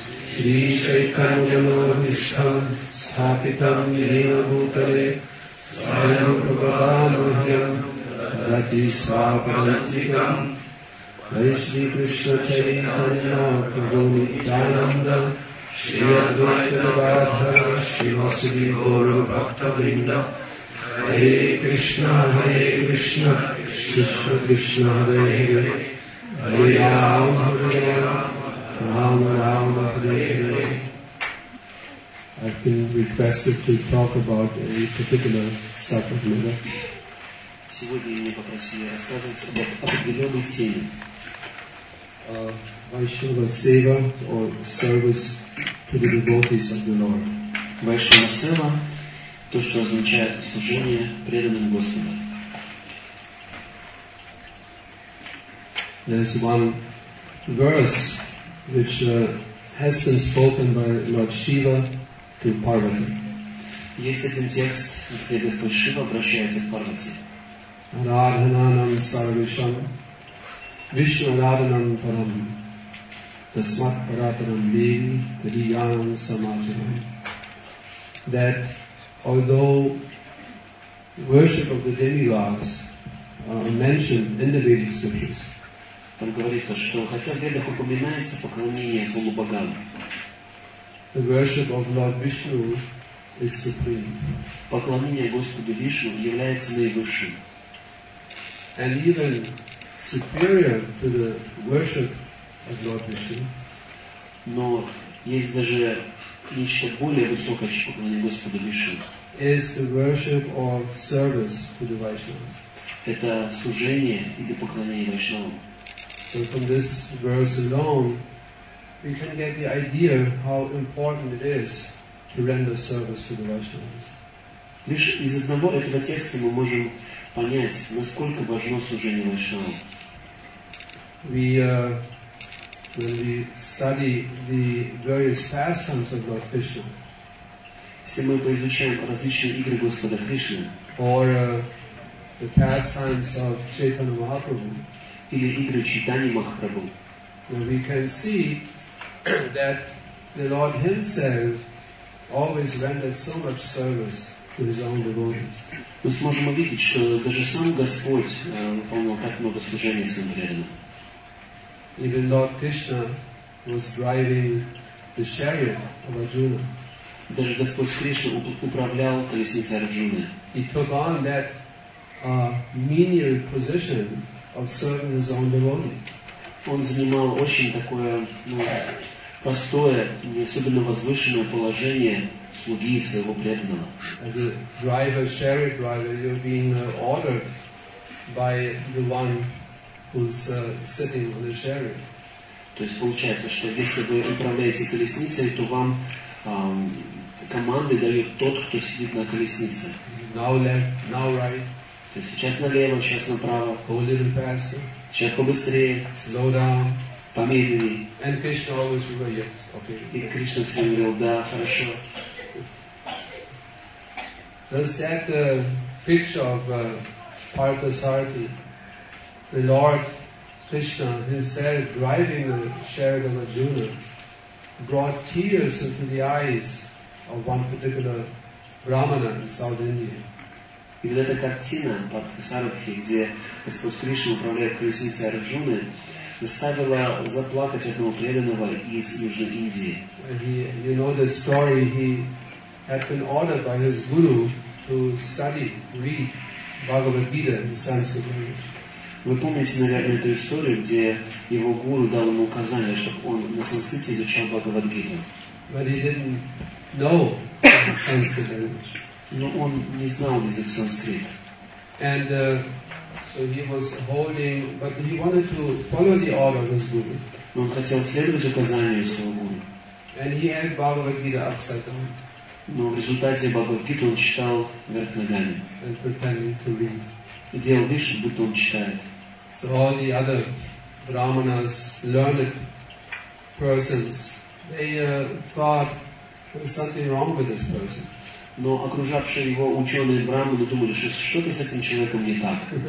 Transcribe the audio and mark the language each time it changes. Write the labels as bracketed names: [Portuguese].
[Sanskrit] श्रीचैतन्यमनोभीष्टं स्थापितं येन भूतले स्वयंप्रपदामह्यं गतिस्वापदन्तिकम् हरे श्रीकृष्णचैतन्यप्रभुनित्यानन्द श्रीअद्वैतगदाधर श्रीवासुदेवगौरभक्तवृन्द हरे कृष्ण कृष्ण कृष्ण हरे हरे हरे राम हरे Ram Ram Hare Hare [English] I've been requested to talk about a particular subject matter. [Russian] Сегодня я попросил рассказывать об определенной теме. [English] Vaishnava Seva or service to the devotees of the Lord. [Russian] Vaishnava Seva, то, что означает служение преданным Господу. [English] There's one verse which has been spoken by Lord Shiva to Parvati. [Russian] Есть один текст, где Господь Шива обращается к Парвати. [Sanskrit] Radhananam Sarvisham. Vishwanadhanam param tasmat parataram devi tadiyanam samajaram. [English] That although worship of the demigods are mentioned in the Vedic scriptures, [Russian] там говорится, что хотя в Ведах упоминается поклонение полубогам, [English] the worship of Lord Vishnu is supreme. [Russian] Поклонение Господу Вишну является наивысшим. [English] And even superior to the worship of Lord Vishnu. [Russian] Но есть даже нечто более высокое, чем поклонение Господу Вишну. [English] Is the worship or service to the Vaishnavas. [Russian] Это служение или поклонение Вайшнавам. [English] So from this verse alone, we can get the idea how important it is to render service to the Vaishnavas. [Russian] Лишь из одного этого текста мы можем понять, насколько важно служение Вайшнавам. [English] When we study the various pastimes of Lord Krishna, [Russian] если мы поизучаем различные игры Господа Кришны, [English] or the pastimes of Chaitanya Mahaprabhu, [Russian] или игры Чайтаньи Махапрабху, [English] then we can see that the Lord Himself always rendered so much service to His own devotees. [Russian] Мы сможем увидеть, что даже сам Господь выполнял так много служений своим преданным. [English] Even Lord Krishna was driving the chariot of Arjuna. [Russian] Даже Господь Кришна управлял колесницей Арджуны. [English] He took on that menial position of serving his own devotee. [Russian] Он занимал очень такое простое, не особенно возвышенное положение слуги своего преданного. [English] As a driver, chariot driver, you're being ordered by the one who's sitting on the chariot. [Russian] То есть получается, что если вы управляете колесницей, то вам команды дает тот, кто сидит на колеснице. [English] Now left, now right. [Russian] То есть сейчас налево, сейчас направо. [English] Go a little faster. [Russian] Сейчас побыстрее. [English] Slow down. [Russian] Помедленнее. [English] And Krishna always will go, yes, okay. [Russian] И Кришна всегда говорил, да, хорошо. [English] Does that picture of Parthasarathi, the Lord Krishna Himself driving the chariot of Arjuna, brought tears into the eyes of one particular Brahmana in South India? [Russian] И вот эта картина Парвасарадхи, где Господь Кришна управляет колесницей Арджуны, заставила заплакать одного преданного из Южной Индии. [English] You know the story, he had been ordered by his guru to study, read Bhagavad Gita in Sanskrit language. [Russian] Вы помните, наверное, эту историю, где его гуру дал ему указание, чтобы он на санскрите изучал Бхагавад-гиту. [English] But he didn't know the Sanskrit language. [Russian] Но он не знал язык санскрит. [English] And so he was holding, but he wanted to follow the order of his guru. [Russian] Он хотел следовать указанию своего гуру. [English] And he had Бхагавад-гиту upside down. [Russian] Но в результате Бхагавад-гиту он читал вверх ногами. [English] And pretending to read. [Russian] И делал вид, что будто он читает. [English] So all the other brahmanas, learned persons, they thought there was something wrong with this person. [Russian] Но окружавшие его ученые брахманы думали, что что-то с этим человеком не так.